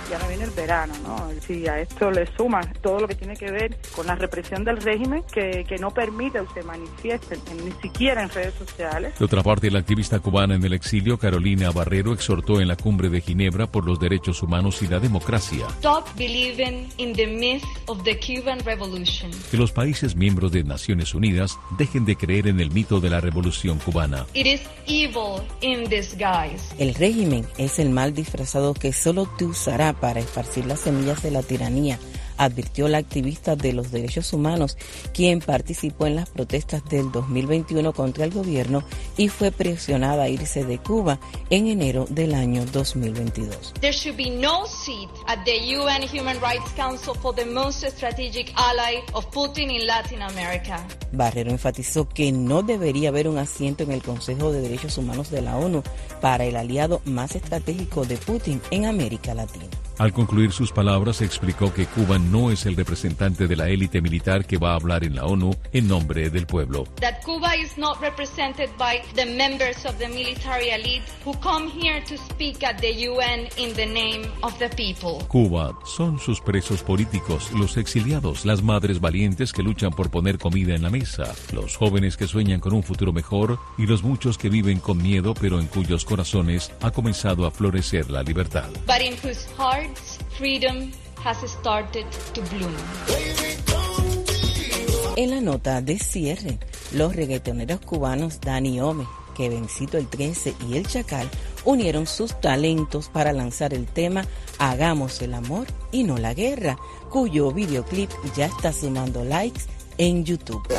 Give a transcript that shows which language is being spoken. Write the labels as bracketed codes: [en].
[es] Ya no viene el verano, ¿no? Si a esto le sumas todo lo que tiene que ver con la represión del régimen, que no permite que se manifieste ni siquiera en redes sociales. De otra parte, la activista cubana en el exilio, Carolina Barrero, exhortó en la cumbre de Ginebra por los derechos humanos y la democracia. [en] Stop believing in the myth of the Cuban Revolution. [es] Que los países miembros de Naciones Unidas dejen de creer en el mito de la revolución cubana. [en] It is evil in disguise. [es] El régimen es el mal disfrazado que solo te usará para esparcir las semillas de la tiranía, advirtió la activista de los derechos humanos, quien participó en las protestas del 2021 contra el gobierno y fue presionada a irse de Cuba en enero del año 2022. [en] There should be no seat at the UN Human Rights Council for the most strategic ally of Putin in Latin America. [es] Barrero enfatizó que no debería haber un asiento en el Consejo de Derechos Humanos de la ONU para el aliado más estratégico de Putin en América Latina. Al concluir sus palabras, explicó que Cuba no es el representante de la élite militar que va a hablar en la ONU en nombre del pueblo. [en] That Cuba is not represented by the members of the military elite who come here to speak at the UN in the name of the people. [es] Cuba son sus presos políticos, los exiliados, las madres valientes que luchan por poner comida en la mesa, los jóvenes que sueñan con un futuro mejor y los muchos que viven con miedo, pero en cuyos corazones ha comenzado a florecer la libertad. [en] But in whose hearts freedom has started to bloom. [es] En la nota de cierre, los reggaetoneros cubanos Dani Ome, Kevencito el 13 y El Chacal unieron sus talentos para lanzar el tema Hagamos el amor y no la guerra, cuyo videoclip ya está sumando likes en YouTube.